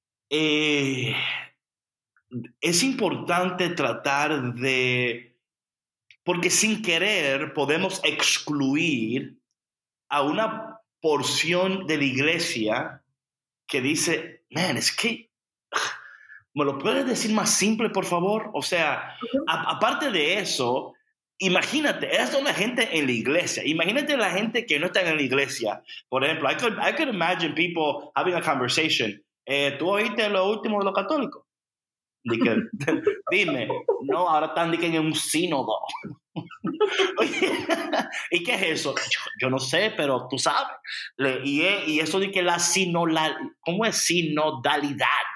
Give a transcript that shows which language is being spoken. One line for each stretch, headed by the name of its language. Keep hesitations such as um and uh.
Spanish: eh, es importante tratar de, porque sin querer podemos excluir a una porción de la iglesia que dice, man, es que, ¿me lo puedes decir más simple, por favor? O sea, a- aparte de eso, imagínate, esa es la gente en la iglesia, imagínate la gente que no está en la iglesia. Por ejemplo,
English: I could, I could imagine people having a conversation.
Spanish: Eh, ¿Tú oíste lo último de los católicos? Di que, dime, no, ahora están di que en un sínodo. Oye, ¿Y qué es eso? Yo, yo no sé, pero tú sabes. Le- y, e- y eso de que la sinodalidad, ¿cómo es sinodalidad?